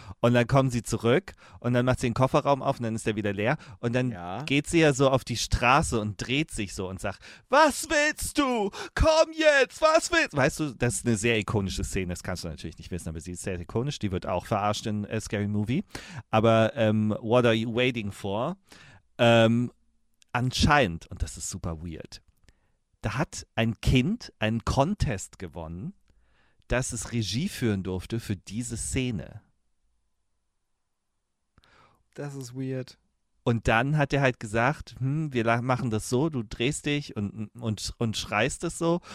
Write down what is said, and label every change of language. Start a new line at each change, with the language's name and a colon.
German: Und dann kommen sie zurück und dann macht sie den Kofferraum auf und dann ist der wieder leer. Und dann geht sie ja so auf die Straße und dreht sich so und sagt, was willst du? Komm jetzt, was willst du? Weißt du, das ist eine sehr ikonische Szene, das kannst du natürlich nicht wissen, aber sie ist sehr ikonisch. Die wird auch verarscht in A Scary Movie.
English: Aber what are you waiting for?
German: Anscheinend, und das ist super weird, da hat ein Kind einen Contest gewonnen, dass es Regie führen durfte für diese Szene. Das ist weird. Und dann hat er halt gesagt, wir machen das so, du drehst dich und schreist es so.